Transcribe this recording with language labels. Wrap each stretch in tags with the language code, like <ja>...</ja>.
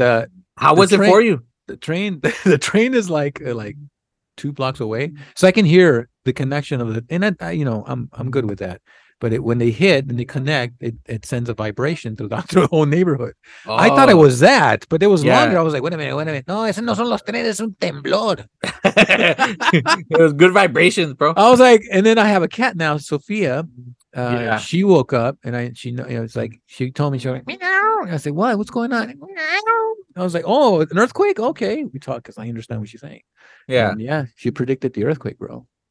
<en>how was it for you? The train is like two blocks away. So I can hear the connection of the, I'm good with that. But when they hit and they connect, it sends a vibration through the whole neighborhood. Oh. I thought it was that, but it was longer. I was like, wait a minute.</en> <es>No, ese no son los trenes, es un temblor.</es> <en>It was good vibrations, bro. I was like, and then I have a cat now, Sophia. She woke up and she told me, she was like, meow. I said, what? What's going on? Meow. I was like, oh, an earthquake? Okay. We talk because I understand what she's saying. Yeah. And yeah. She predicted the earthquake, bro.</en>